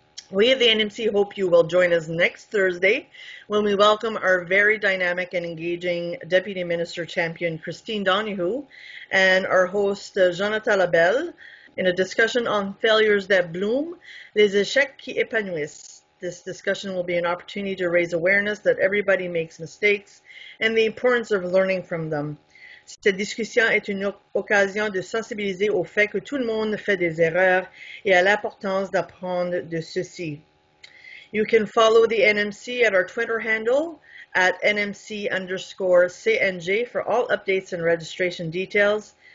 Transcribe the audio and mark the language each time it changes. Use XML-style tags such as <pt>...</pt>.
<en>We at the NMC hope you will join us next Thursday when we welcome our very dynamic and engaging Deputy Minister Champion Christine Donahue and our host Jonathan Labelle in a discussion on failures that bloom,</en> <fr>les échecs qui épanouissent.</fr> <en>This discussion will be an opportunity to raise awareness that everybody makes mistakes and the importance of learning from them.</en> <fr>Cette discussion est une occasion de sensibiliser au fait que tout le monde fait des erreurs et à l'importance d'apprendre de ceci.</fr> <en>You can follow the NMC at our Twitter handle at NMC_CNG for all updates and registration details.</en>